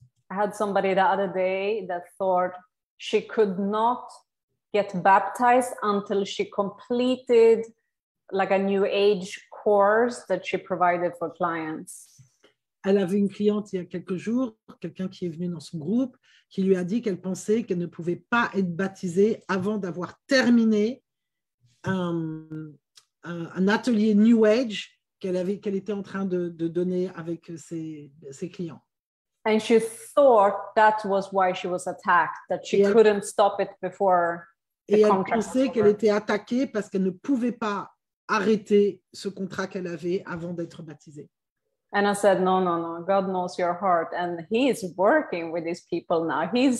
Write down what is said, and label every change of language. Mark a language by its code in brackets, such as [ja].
[en] I had somebody the other day that thought she could not get baptized until she completed like a New Age course that she provided for clients. [fr] Elle avait une cliente il y a quelques jours, quelqu'un qui est venu dans son groupe, qui lui a dit qu'elle pensait qu'elle ne pouvait pas être baptisée avant d'avoir terminé un atelier New Age qu'elle était en train de donner avec ses clients. [en] And she thought that was why she was attacked, that she couldn't stop it before the contract. [fr] Et elle pensait qu'elle était attaquée parce qu'elle ne pouvait pas arrêter ce contrat qu'elle avait avant d'être baptisée. [en] And I said, no, God knows your heart. And he is working with these people now.